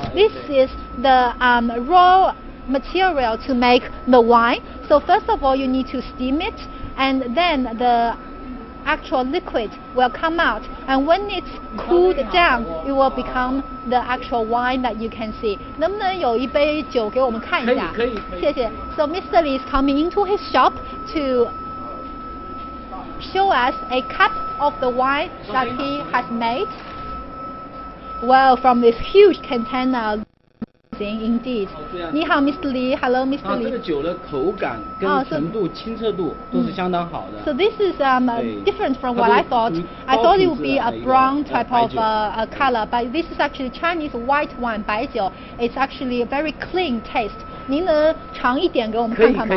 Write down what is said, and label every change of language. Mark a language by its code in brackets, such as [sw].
[en] This is the raw material to make the wine. So first of all, you need to steam it, and then the actual liquid will come out, and when it's cooled down, it will become the actual wine that you can see. [zh] 能不能有一杯酒给我们看一下？可以，可以，谢谢。 [en] So Mr. Li is coming into his shop to show us a cup of the wine that he has made. Well, from this huge container. Indeed. [zh] 你好 [en] ，Mr. Li. Hello, Mr. Li. [zh] 这个酒的口感跟纯度、清澈度都是相当好的。 [en] So this is different from what I thought. I thought it would be a brown type of a color, but this is actually Chinese white wine, 白酒. It's actually a very clean taste. [zh] 您能尝一点给我们看看吗？